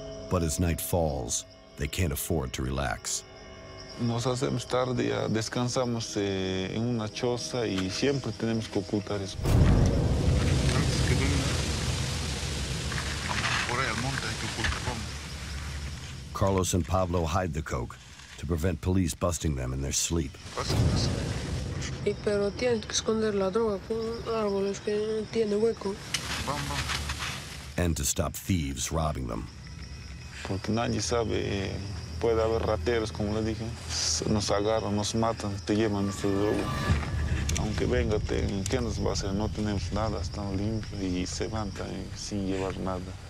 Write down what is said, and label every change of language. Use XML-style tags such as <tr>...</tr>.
<en>But as night falls, they can't afford to relax.</en> <es>Nos hacemos tarde, descansamos en una choza y siempre tenemos que ocultar eso. Antes que venga, vamos por ahí al monte, hay que ocultar, vamos.</es> <en>Carlos and Pablo hide the coke to prevent police busting them in their sleep.</en> <es>Pero tienes que esconder la droga por árboles que tiene hueco.</es> <en>And to stop thieves robbing them.</en> <es>Porque nadie sabe, puede haber rateros, como le dije. Nos agarran, nos matan, te llevan nuestro droga. Aunque venga, ¿qué nos va a hacer? No tenemos nada, estamos limpios y se van también, sin llevar nada.</es>